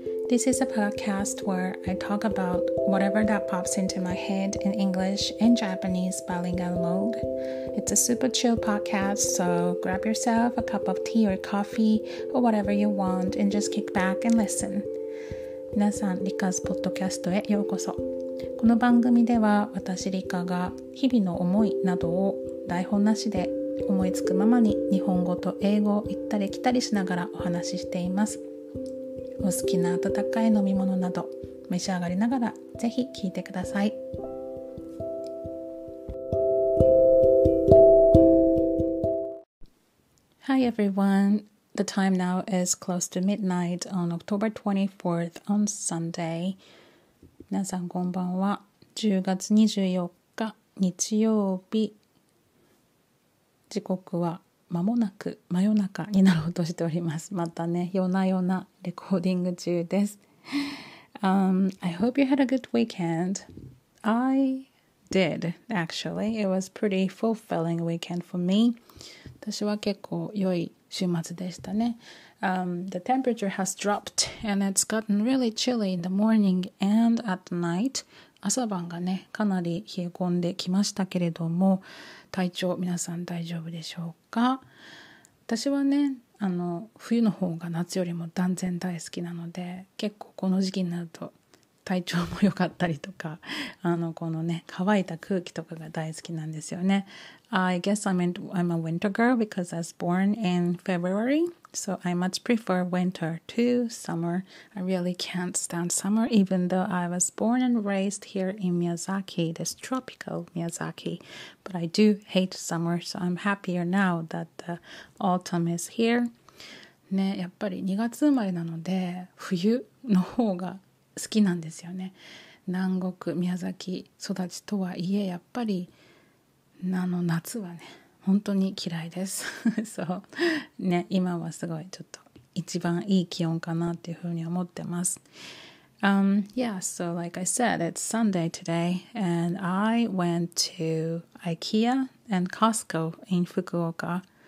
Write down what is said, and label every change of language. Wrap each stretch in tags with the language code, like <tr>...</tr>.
<en>This is a podcast where I talk about whatever that pops into my head in English and Japanese bilingual mode. It's a super chill podcast, so grab yourself a cup of tea or coffee or whatever you want and just kick back and listen.</en> <ja>皆さん、Rika's podcast へようこそ。この番組では私、Rika が日々の思いなどを台本なしで思いつくままに日本語と英語を行ったり来たりしながらお話ししています。お好きな温かい飲み物など召し上がりながらぜひ聞いてください。</ja> <en>Hi everyone, the time now is close to midnight on October 24th on Sunday.</en> <ja>皆さんこんばんは。 10月24日日曜日、時刻は間もなく真夜中になろうとしております。またね、夜な夜なレコーディング中です。</ja> <en>I hope you had a good weekend. I did, actually. It was pretty fulfilling weekend for me.</en> <ja>私は結構良い週末でしたね。</ja> <en>The temperature has dropped and it's gotten really chilly in the morning and at night.</en> <ja>朝晩がね、かなり冷え込んできましたけれども、体調皆さん大丈夫でしょうか。私はね、冬の方が夏よりも断然大好きなので、結構この時期になると体調も良かったりとか、このね、乾いた空気とかが大好きなんですよね。</ja> <en>I guess I'm a winter girl because I was born in February, so I much prefer winter to summer. I really can't stand summer even though I was born and raised here in Miyazaki, this tropical Miyazaki, but I do hate summer, so I'm happier now that the autumn is here.</en> <ja>ね、やっぱり2月生まれなので冬の方が好きなんですよね。南国宮崎育ちとはいえ、やっぱり夏はね、本当に嫌いです。そうね、今はすごいちょっと一番いい気温かなっていうふうに思ってます。</ja> <en>Yeah, so like I said, it's Sunday today, and I went to IKEA and Costco in Fukuoka.</en>